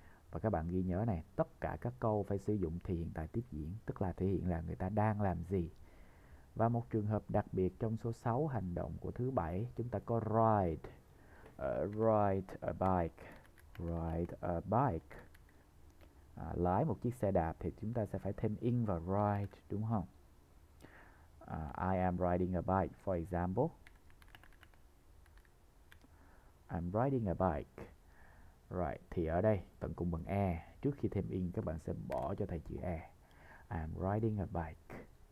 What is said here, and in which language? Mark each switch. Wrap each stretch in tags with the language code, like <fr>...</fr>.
<vi>Và các bạn ghi nhớ này, tất cả các câu phải sử dụng thì hiện tại tiếp diễn, tức là thể hiện là người ta đang làm gì. Và một trường hợp đặc biệt trong số 6 hành động của thứ 7, chúng ta có ride.</vi> <en>Ride a bike. Ride a bike.</en> <vi>Lái một chiếc xe đạp thì chúng ta sẽ phải thêm in vào ride, đúng không?</vi> <en>I am riding a bike, for example. I'm riding a bike.</en> <vi>Right, thì ở đây tận cùng bằng E. Trước khi thêm in, các bạn sẽ bỏ cho thầy chữ E.</vi> <en>I'm riding a bike.</en>